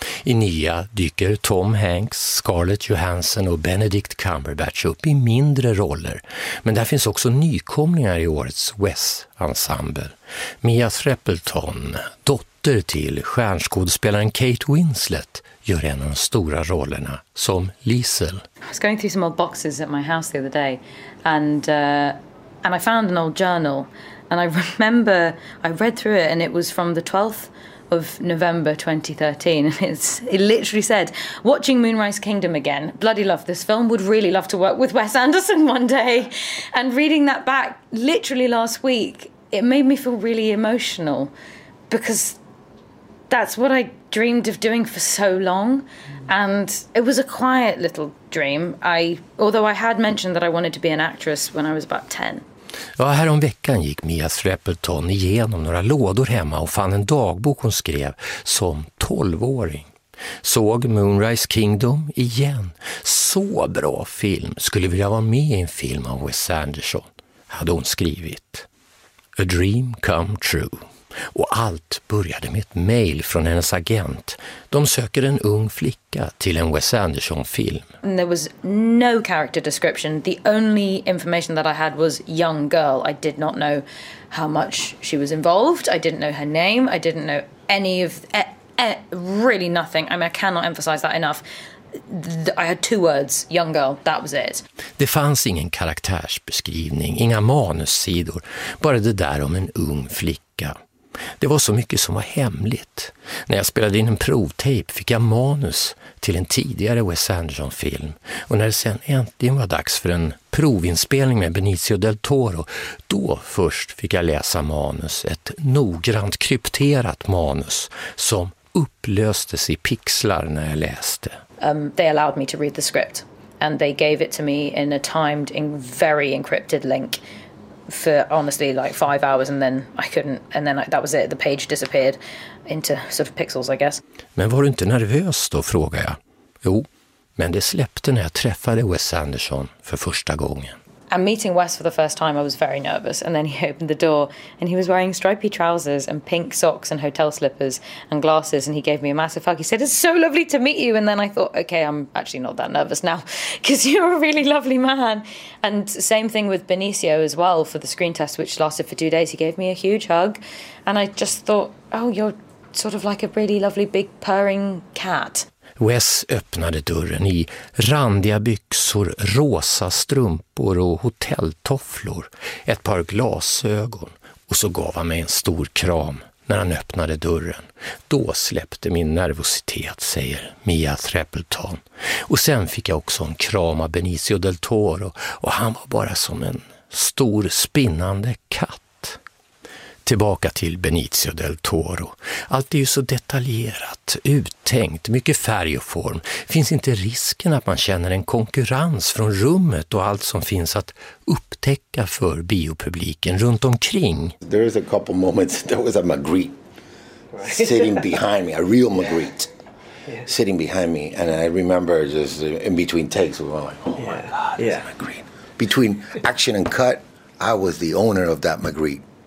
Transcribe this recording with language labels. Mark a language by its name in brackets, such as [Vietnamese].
[Swedish] I nya dyker Tom Hanks, Scarlett Johansson och Benedict Cumberbatch upp i mindre roller. Men där finns också nykomlingar i årets Wes-ensemble. Mia Threapleton, dotter till stjärnskådespelaren Kate Winslet, gör en av de stora rollerna som Liesel. [English] I was going through some old boxes at my house the other day and I found an old journal. And I remember I read through it and it was from the 12th of November 2013. And it literally said, watching Moonrise Kingdom again, bloody love this film, would really love to work with Wes Anderson one day. And reading that back literally last week, it made me feel really emotional because that's what I dreamed of doing for so long. And it was a quiet little dream. Although I had mentioned that I wanted to be an actress when I was about 10. [Swedish] Ja, härom veckan gick Mia Threapleton igenom några lådor hemma och fann en dagbok hon skrev som 12-åring. Såg Moonrise Kingdom igen. Så bra film. Skulle vilja vara med i en film av Wes Anderson, hade hon skrivit. [English] A dream come true. [Swedish] Och allt började med ett mejl från hennes agent. De söker en ung flicka till en Wes Anderson-film. [English] And there was no character description. The only information that I had was young girl. I did not know how much she was involved. I didn't know her name. I didn't know any of... really nothing. I mean, I cannot emphasize that enough. I had two words, young girl, that was it. [Swedish] Det fanns ingen karaktärsbeskrivning, inga manussidor. Bara det där om en ung flicka. Det var så mycket som var hemligt. När jag spelade in en provtejp fick jag manus till en tidigare Wes Anderson-film. Och när det sen äntligen var dags för en provinspelning med Benicio del Toro, då först fick jag läsa manus, ett noggrant krypterat manus som upplöstes i pixlar när jag läste. [English] They allowed me to read the script and they gave it to me in a timed in very encrypted link. For honestly like 5 hours and then I couldn't, and then that was it, the page disappeared into sort of pixels, I guess. [Swedish] Men var du inte nervös då, frågar jag. Jo, men det släppte när jag träffade Wes Anderson för första gången. [English] And meeting Wes for the first time I was very nervous, and then he opened the door and he was wearing stripy trousers and pink socks and hotel slippers and glasses and he gave me a massive hug. He said, it's so lovely to meet you. And then I thought, okay, I'm actually not that nervous now because you're a really lovely man. And same thing with Benicio as well for the screen test, which lasted for 2 days. He gave me a huge hug and I just thought, oh, you're sort of like a really lovely big purring cat. [Swedish] Wes öppnade dörren i randiga byxor, rosa strumpor och hotelltofflor, ett par glasögon och så gav han mig en stor kram När han öppnade dörren, då släppte min nervositet, säger Mia Threppleton. Och sen fick jag också en kram av Benicio del Toro, och han var bara som en stor spinnande katt. Tillbaka till Benicio del Toro. Allt är ju så detaljerat, uttänkt, mycket färg och form. Finns inte risken att man känner en konkurrens från rummet och allt som finns att upptäcka för biopubliken runt omkring? [English] There is a couple moments there was a Magritte sitting behind me, a real Magritte sitting behind me, and I remember just in between takes we were like, oh my god, it's a Magritte. Between action and cut, I was the owner of that Magritte.